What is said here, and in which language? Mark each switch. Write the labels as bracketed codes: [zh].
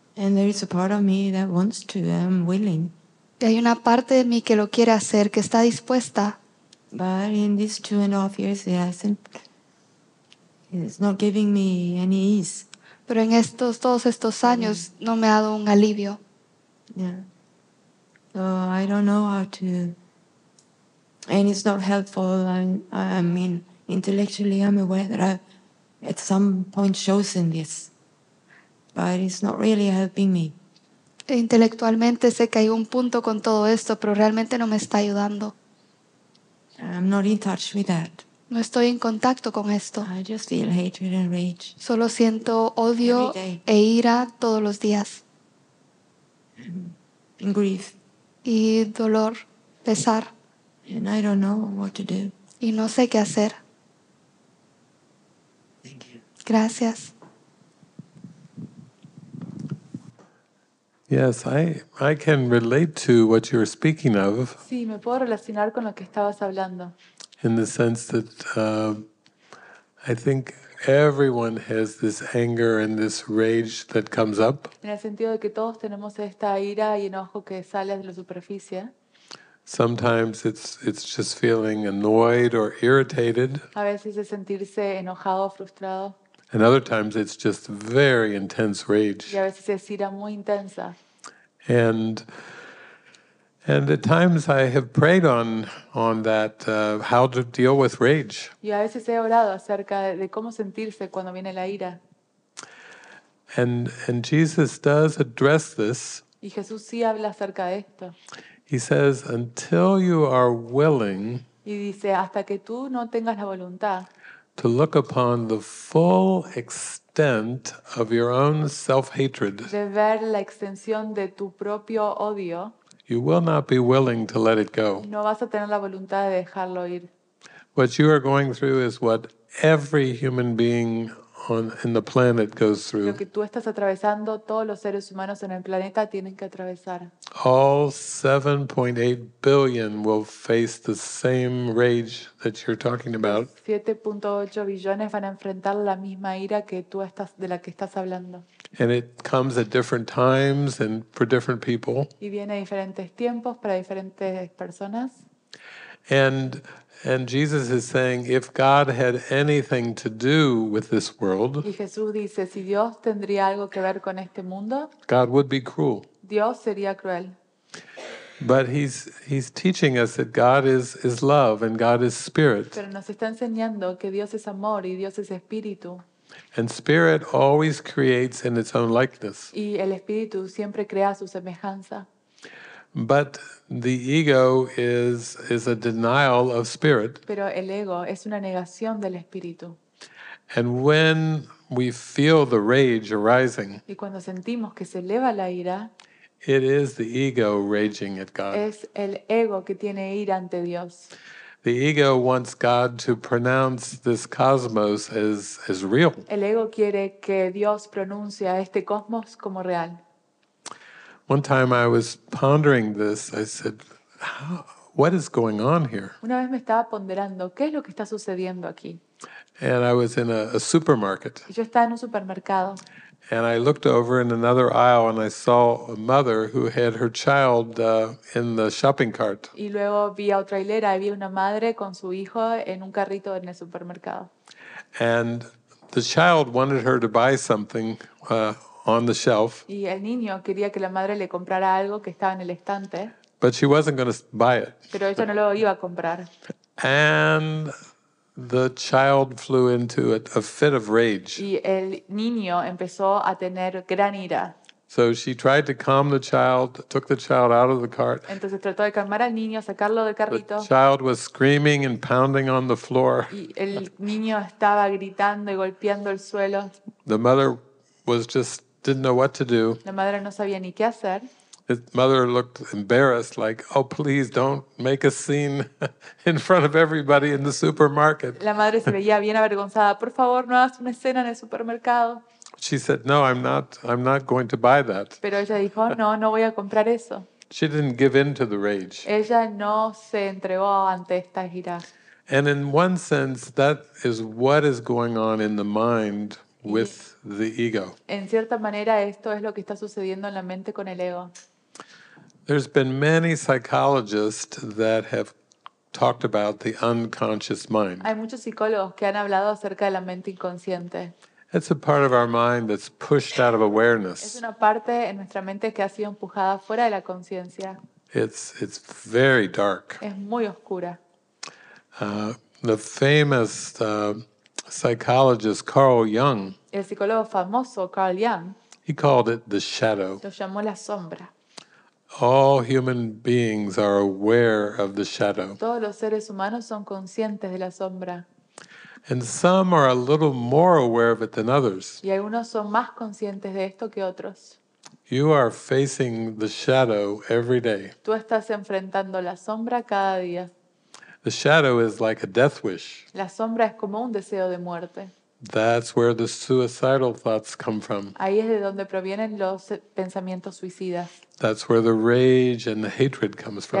[en] And there is a part of me that wants to, I'm willing. [es] Y hay una parte de mí que lo quiere hacer, que está dispuesta. [en] But in these 2.5 years, it hasn't. It's not giving me any ease. [es] Pero en todos estos años, no me ha dado un alivio. [en] Yeah. So I don't know how to. And it's not helpful. I mean, intellectually, I'm aware that I've at some point chosen this. But it's not really helping me. [es] Intelectualmente sé que hay un punto con todo esto, pero realmente no me está ayudando. [en] I'm not in touch with that. [es] No estoy en contacto con esto. [en] I just feel hatred and rage. [es] Solo siento odio e ira todos los días. [en] And grief. [es] Y dolor, pesar. [en] And I don't know what to do. [es] Y no sé qué hacer. [en] Thank you. [es] Gracias. [en] Yes, I can relate to what you were speaking of. [es] Sí, me puedo relacionar con lo que estabas hablando. [en] In the sense that I think everyone has this anger and this rage that comes up. [es] En el sentido de que todos tenemos esta ira y enojo que sale de la superficie. [en] Sometimes it's just feeling annoyed or irritated. [es] A veces es sentirse enojado o frustrado. [en] And other times it's just very intense rage. [es] Y a veces es ira muy intensa. [en] And at times I have prayed on that how to deal with rage. [es] Y a veces he orado acerca de cómo sentirse cuando viene la ira. [en] And Jesus does address this. [es] Y Jesús sí habla acerca de esto. [en] He says, until you are willing. [es] Y dice, hasta que tú no tengas la voluntad. [en] To look upon the full extent of your own self-hatred. [es] De ver la extensión de tu propio odio. [en] You will not be willing to let it go. [es] No vas a tener la voluntad de dejarlo ir. [en] What you are going through is what every human being in the planet goes through. [es] Lo que tú estás atravesando, todos los seres humanos en el planeta tienen que atravesar. [en] All 7.8 billion will face the same rage that you're talking about. [es] 7.8 billones van a enfrentar la misma ira que tú estás de la que estás hablando. [en] And it comes at different times and for different people. [es] Y viene a diferentes tiempos para diferentes personas. [en] And Jesus is saying, if God had anything to do with this world, [es] y Jesús dice, si Dios tendría algo que ver con este mundo, [en] God would be cruel. [es] Dios sería cruel. [en] But he's teaching us that God is love and God is spirit. [es] Pero nos está enseñando que Dios es amor y Dios es espíritu. [en] And spirit always creates in its own likeness. [es] Y el espíritu siempre crea su semejanza. [en] But the ego is a denial of spirit. [es] Pero el ego es una negación del espíritu. [en] And when we feel the rage arising, [es] y cuando sentimos que se eleva la ira, [en] it is the ego raging at God. [es] Es el ego que tiene ira ante Dios. [en] The ego wants God to pronounce this cosmos as real. [es] El ego quiere que Dios pronuncie este cosmos como real. [en] One time I was pondering this, I said, what is going on here? [es] Una vez me estaba ponderando, ¿qué es lo que está sucediendo aquí? [en] And I was in a supermarket. [es] Y yo estaba en un supermercado. [en] And I looked over in another aisle and I saw a mother who had her child in the shopping cart. [es] Y luego vi a otra hilera y vi una madre con su hijo en un carrito en el supermercado. [en] And the child wanted her to buy something on the shelf. [es] Y el niño quería que la madre le comprara algo que estaba en el estante. [en] But she wasn't going to buy it. [es] Pero ella no lo iba a comprar. [en] And the child flew into a fit of rage. [es] Y el niño empezó a tener gran ira. [en] So she tried to calm the child, took the child out of the cart. [es] Entonces trató de calmar al niño, sacarlo del carrito. [en] The child was screaming and pounding on the floor. [es] Y el niño estaba gritando y golpeando el suelo. [en] The mother was just didn't know what to do. [es] La madre no sabía ni qué hacer. [en] His mother looked embarrassed, like, "Oh, please, don't make a scene in front of everybody in the supermarket." [es] La madre se veía bien avergonzada. Por favor, no hagas una escena en el supermercado. [en] She said, "No, I'm not going to buy that." [es] Pero ella dijo, "No, no voy a comprar eso." [en] She didn't give in to the rage. [es] Ella no se entregó ante esta ira. [en] And in one sense, that is what is going on in the mind with the ego. [es] En cierta manera, esto es lo que está sucediendo en la mente con el ego. [en] There's been many psychologists that have talked about the unconscious mind. [es] Hay muchos psicólogos que han hablado acerca de la mente inconsciente. [en] It's a part of our mind that's pushed out of awareness. [es] Es una parte en nuestra mente que ha sido empujada fuera de la conciencia. [en] It's very dark. [es] Es muy oscura. [en] The famous psychologist Carl Jung. [es] El psicólogo famoso Carl Jung. [en] He called it the shadow. [es] Lo llamó la sombra. [en] All human beings are aware of the shadow. [es] Todos los seres humanos son conscientes de la sombra. [en] And some are a little more aware of it than others. [es] Y algunos son más conscientes de esto que otros. [en] You are facing the shadow every day. [es] Tú estás enfrentando la sombra cada día. [en] The shadow is like a death wish. [es] La sombra es como un deseo de muerte. [en] That's where the suicidal thoughts come from. [es] Ahí es de donde provienen los pensamientos suicidas. [en] That's where the rage and the hatred comes from.